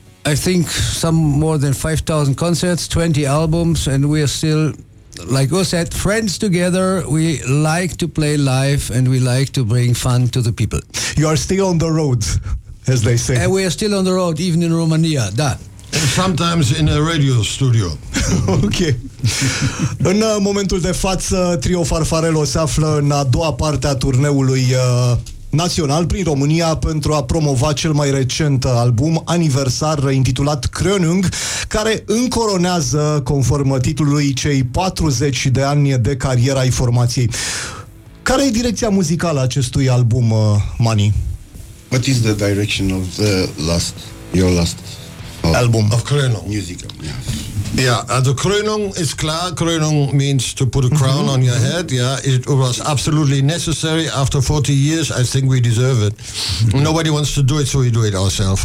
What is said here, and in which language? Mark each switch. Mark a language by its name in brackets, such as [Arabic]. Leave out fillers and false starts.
[English] I think some more than 5,000 concerts, 20 albums, and we are still, like I said, friends together. We like to play live and we like to bring fun to the people. You are still on the road, as they say. And we are still on the road, even in Romania. That. And sometimes in a radio studio. Ok. [Romanian] În momentul de față, Trio Farfarello se află în a doua parte a turneului național prin România pentru a promova cel mai recent album aniversar intitulat Krönung, care încoronează, conform titlului, cei 40 de ani de carieră ai formației. Care e direcția muzicală acestui album, Mani? [English] What is the direction of the last, your last album of Krönung? Musical, yes. Yeah, the Krönung is [German] klar. [English] Krönung means to put a crown on your head. Yeah, it was absolutely necessary after 40 years. I think we deserve it. Nobody wants to do it, so we do it ourselves.